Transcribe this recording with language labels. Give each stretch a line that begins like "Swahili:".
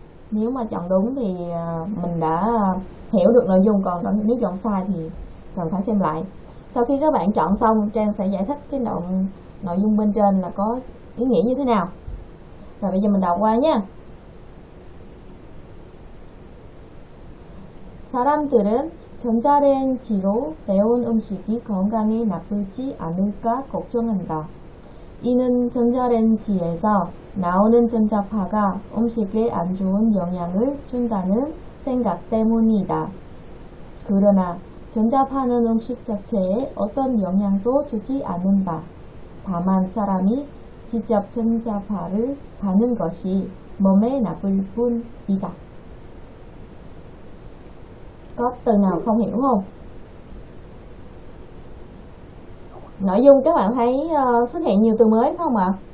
Vietnamese: Nếu mà chọn đúng thì mình đã hiểu được nội dung, còn nếu chọn sai thì cần phải xem lại. Sau khi các bạn chọn xong, Trang sẽ giải thích cái nội dung bên trên là có ý nghĩa như thế nào. Rồi bây giờ mình đọc qua nha.
Korean: 사람들은 전자레인지로 데운 음식이 건강에 나쁘지 않을까 걱정한다. 이는 전자레인지에서 나오는 전자파가 음식에 안 좋은 영향을 준다는 생각 때문이다. 그러나 전자파는 음식 자체에 어떤 영향도 주지 않는다. 다만 사람이 직접 전자파를 받는 것이 몸에 나쁠 뿐이다.
Vietnamese: Có từ nào không hiểu không? Nội dung các bạn thấy xuất hiện nhiều từ mới không ạ?